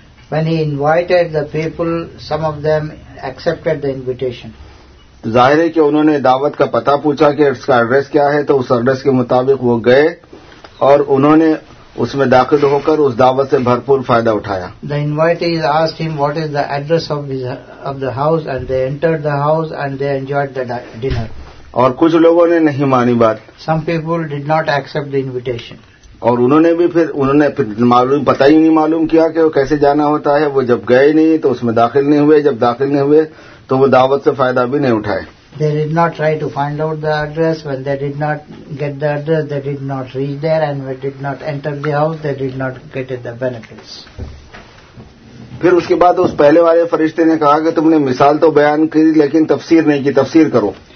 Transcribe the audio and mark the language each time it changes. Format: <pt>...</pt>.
<en>When he invited the people some of them accepted the invitation.</en> <ur>ظاہر ہے کہ انہوں نے دعوت کا پتہ پوچھا کہ اس کا ایڈریس کیا ہے, تو اس ایڈریس کے مطابق وہ گئے اور انہوں نے اس میں داخل ہو کر اس دعوت سے بھرپور فائدہ اٹھایا.</ur> <en>The invitee is asked him what is the address of the house and they entered the house and they enjoyed the dinner.</en> <ur>اور کچھ لوگوں نے نہیں مانی بات.</ur> <en>Some people did not accept the invitation.</en> <ur>اور انہوں نے پتہ ہی نہیں معلوم کیا کہ وہ کیسے جانا ہوتا ہے. وہ جب گئے نہیں تو اس میں داخل نہیں ہوئے, جب داخل نہیں ہوئے تو وہ دعوت سے فائدہ بھی نہیں اٹھائے.</ur> <en>They did not try to find out the address. When they did not get the address, they did not reach there, and when they did not enter the house, they did not get the benefits.</en> <ur>پھر اس کے بعد اس پہلے والے فرشتے نے کہا کہ تم نے مثال تو بیان کی لیکن تفسیر نہیں کی, تفسیر کرو.</ur>